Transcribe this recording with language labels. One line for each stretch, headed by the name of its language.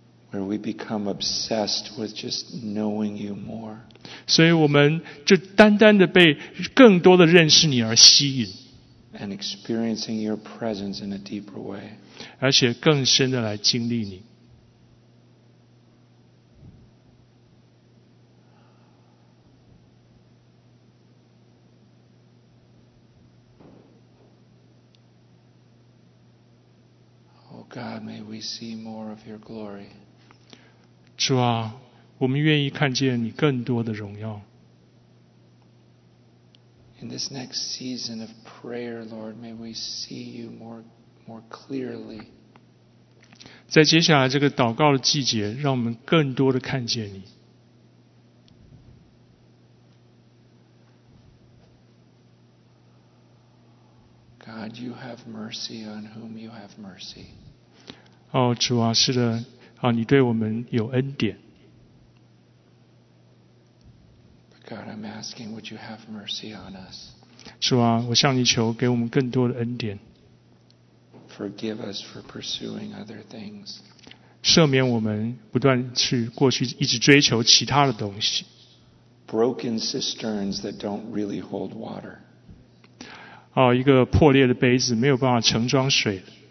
English: Where we become obsessed with just knowing you more.
Chinese: 所以我们就单单的被更多的认识你而吸引。
English: And experiencing your presence in a deeper way.
Chinese: 而且更深的来经历你。
English: Oh God, may we see more of your glory.
Chinese: 主啊，我们愿意看见你更多的荣耀。
English: In this next season of prayer, Lord, may we see you more clearly.
Chinese: 在接下来这个祷告的季节，让我们更多的看见你。
English: God, you have mercy on whom you have mercy.
Chinese: 哦，主啊，是的，啊，你对我们有恩典。
English: God, I'm asking, would you have mercy on us?
Chinese: 主啊，我向你求，给我们更多的恩典。
English: Forgive us for pursuing other things.
Chinese: 赦免我们不断去过去一直追求其他的东西。
English: Broken cisterns that don't really hold water.
Chinese: 哦，一个破裂的杯子没有办法盛装水。